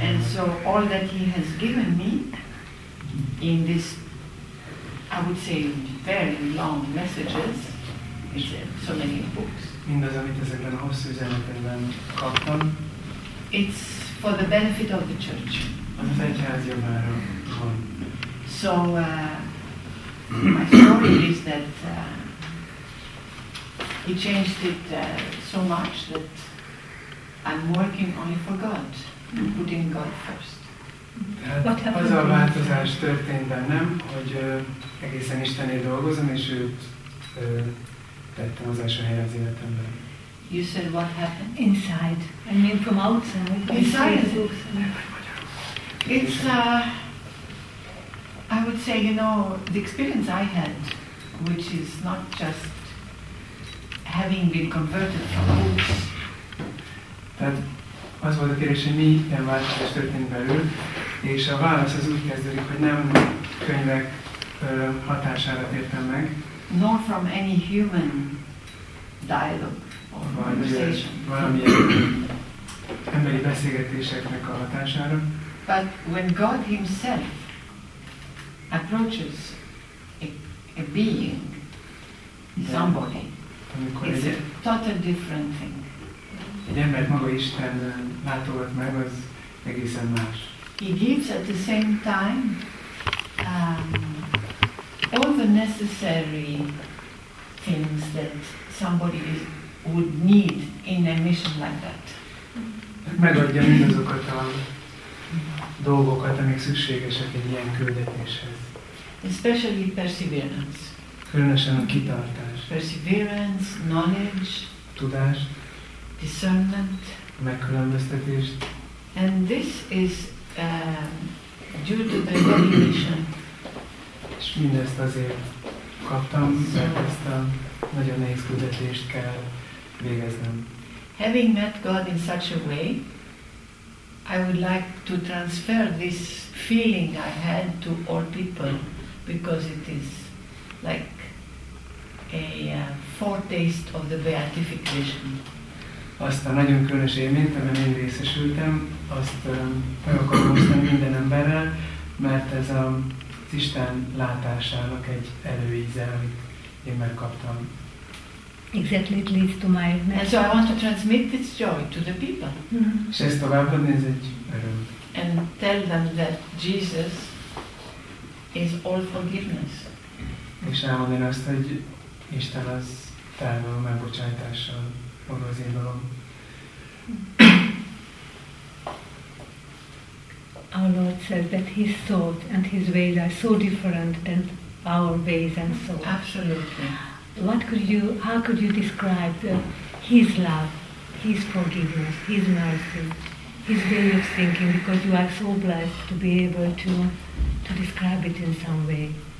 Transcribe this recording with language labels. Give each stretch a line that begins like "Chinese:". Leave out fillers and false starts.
English: And so all that he has given me in this, I would say, very long messages. It's so many books.
Hungarian: Mindaz, amit ezekben a hosszú üzenetekben kaptam.
English: It's for the benefit of the church.
Hungarian: Az az egyház jobbára van.
English: So, my story is that he changed it so much that I'm working only for God, putting God first.
Hungarian: Tehát az a változás történt bennem, hogy egészen Istennél dolgozom, és őt tettem az első helyre az életemben.
English: You said what happened? Inside. I mean from outside. Inside. It's, I would say, you know, the experience I had, which is not just having been converted from books.
Hungarian: Tehát az volt a kérdés, hogy mi ilyen változás történt belül. És a válasz az úgy kezdődik, hogy nem könyvek hatására tértem meg.
English: Nor from any human dialogue or conversation.
Hungarian: Valamilyen emberi beszélgetéseknek a hatására.
English: But when God himself approaches a being, somebody, it's a totally different thing.
Hungarian: Egy embert maga Isten látogat meg, az egészen más.
English: He gives at the same time all the necessary things that somebody is, would need in a mission like that.
Hungarian: Megadja mindazokat a dolgokat, amik szükségesek egy ilyen küldetéshez.
English: Especially perseverance.
Hungarian: Különösen a kitartás.
English: Perseverance, knowledge.
Hungarian: Tudás.
English: Discernment.
Hungarian: Megkülönböztetést.
English: And this is due to the revelation.
Hungarian: És mindezt azért kaptam, mert ezt a nagyon nehéz küldetést kell végeznem.
English: Having met God in such a way, I would like to transfer this feeling I had to all people, because it is like a foretaste of the beatification.
Hungarian: Azt a nagyon különös élményt, amiben én részesültem, azt meg akarom osztani minden emberrel, mert ez az Isten látásának egy előíze, amit én megkaptam.
English: Exactly, it leads to my message. And so I want to transmit this joy to the people. Mm-hmm.
Hungarian: És ezt továbbadni, ez egy öröm.
English: And tell them that Jesus is all forgiveness.
Hungarian: És elmondani azt, hogy Isten az felnő a megbocsátással.
English: Our Lord says that his thoughts and his ways are so different than our base and soul. Absolutely. What could you, how could you describe his love, his forgiveness, his mercy, his way of thinking, because you are so blessed to be able to describe it in some way.